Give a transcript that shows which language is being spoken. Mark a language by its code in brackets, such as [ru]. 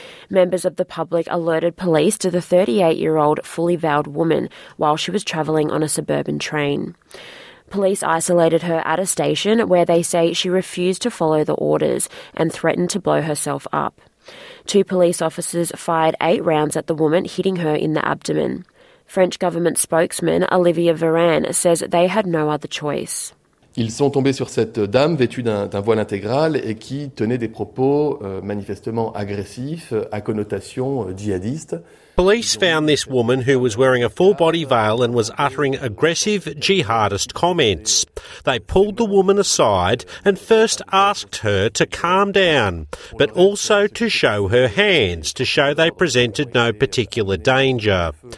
[en] Members of the public alerted police to the 38-year-old fully veiled woman while she was travelling on a suburban train. Police isolated her at a station where they say she refused to follow the orders and threatened to blow herself up. Two police officers fired eight rounds at the woman, hitting her in the abdomen. French government spokesman Olivier Véran says they had no other choice. [fr] Ils sont tombés sur cette dame vêtue d'un voile intégral et qui tenait des propos manifestement agressifs à connotation djihadiste. [en] Police found this woman who was wearing a full body veil and was uttering aggressive jihadist comments. They pulled the woman aside and first asked her to calm down, but also to show her hands to show they presented no particular danger.